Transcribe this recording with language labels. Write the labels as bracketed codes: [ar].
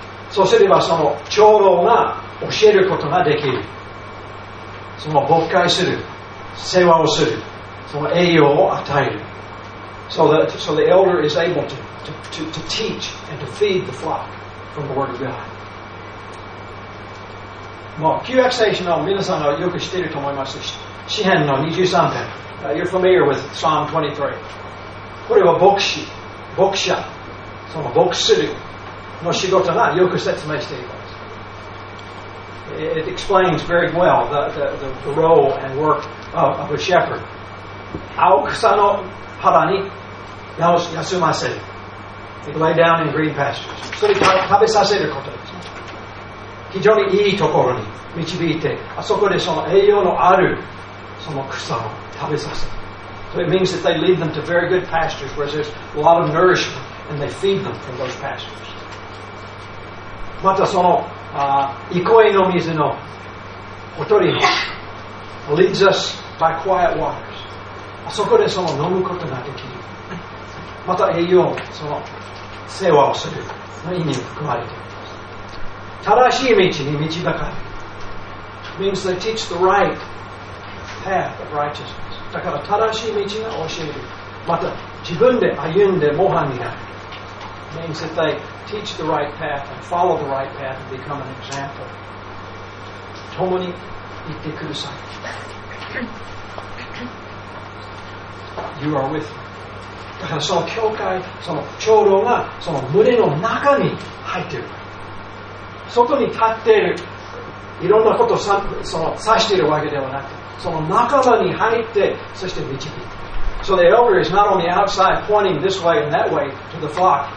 [ja] そうすればその長老が教えることができる。その牧会する、世話をする、その栄養を与える。 [en] So the elder is able to teach and to feed the flock from the word of God. [ja] もう旧約聖書の皆さんがよく知っていると思います。詩編の23編。 [en] You're familiar with Psalm 23. [ja] これは牧者、その牧するの仕事がよく説明しています。 [en] It explains very well the role and work of a shepherd. [ja] 青草の原に休ませる。 [en] It lay down in green pastures. [ja] それを食べさせることです。非常にいいところに導いて、あそこでその栄養のあるその草を食べさせる。 [en] So it means that they lead them to very good pastures where there's a lot of nourishment and they feed them from those pastures. [ja] またその憩いの水のほとりに [en] leads us by quiet waters. [ja] あそこでその飲むことができる。また栄養のその世話をするの意味も含まれている。正しい道に導かれる。 [en] Means they teach the right path of righteousness. [ja] だから正しい道が教える。また自分で歩んで模範になる。 [en] Means that they teach the right path and follow the right path and become an example. [ja] 共に行ってください。 [en] You are with me. [ja] だからその教会、その長老がその群れの中に入っている。外に立っているいろんなことをその指しているわけではなくて、その仲間に入ってそして導いている。 [en] So the elder is not on the outside pointing this way and that way to the flock.